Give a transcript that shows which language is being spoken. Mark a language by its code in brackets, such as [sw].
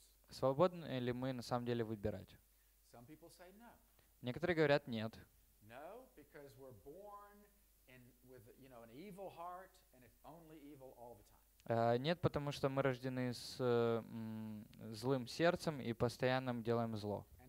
[ru] Свободны ли мы на самом деле выбирать? [en] No. [ru] Некоторые говорят нет. [en] No, because we're born in, with, you know, an evil heart, and it's only evil all the time. [ru] Нет, потому что мы рождены с злым сердцем и постоянно делаем зло.